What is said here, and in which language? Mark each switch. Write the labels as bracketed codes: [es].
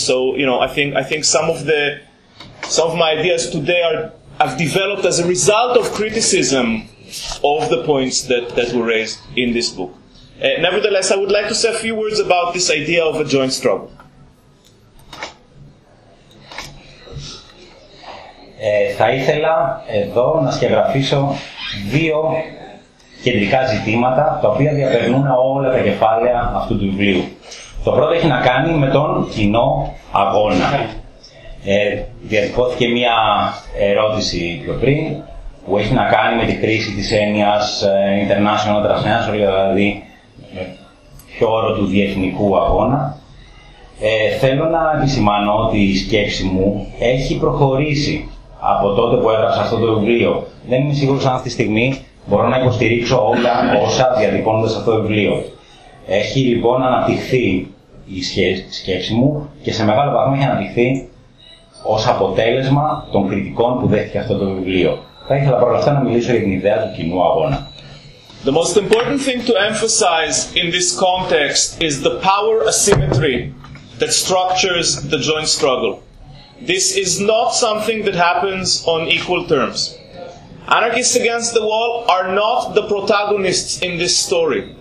[en] So, you know, I think some of my ideas today have developed as a result of criticism of the points that were raised in this book. Nevertheless, I would like to say a few words about this idea of a joint struggle. [el] Θα ήθελα εδώ να σκεγγραφίσω δύο κεντρικά ζητήματα τα οποία διαπερνούν όλα τα κεφάλαια αυτού του βιβλίου. Το πρώτο έχει να κάνει με τον κοινό αγώνα. Διατυπώθηκε μια ερώτηση πιο πριν που έχει να κάνει με τη χρήση της έννοιας [en] international transnational, [el] δηλαδή το όρο του διεθνικού αγώνα. Θέλω να επισημάνω ότι η σκέψη μου έχει προχωρήσει από τότε που έγραψα αυτό το βιβλίο. Δεν είμαι σίγουρος αν αυτή τη στιγμή μπορώ να υποστηρίξω όλα όσα διατυπώνονται σε αυτό το βιβλίο. Έχει λοιπόν αναπτυχθεί η σκέψη μου και σε μεγάλο βαθμό έχει αναπτυχθεί ως αποτέλεσμα των κριτικών που δέχτηκε αυτό το βιβλίο. Θα ήθελα παρ' όλα αυτά να μιλήσω για την ιδέα του κοινού αγώνα. [en] The most important thing to emphasize in this context is the power asymmetry that structures the joint struggle. This is not something that happens on equal terms. Anarchists against the wall are not the protagonists in this story.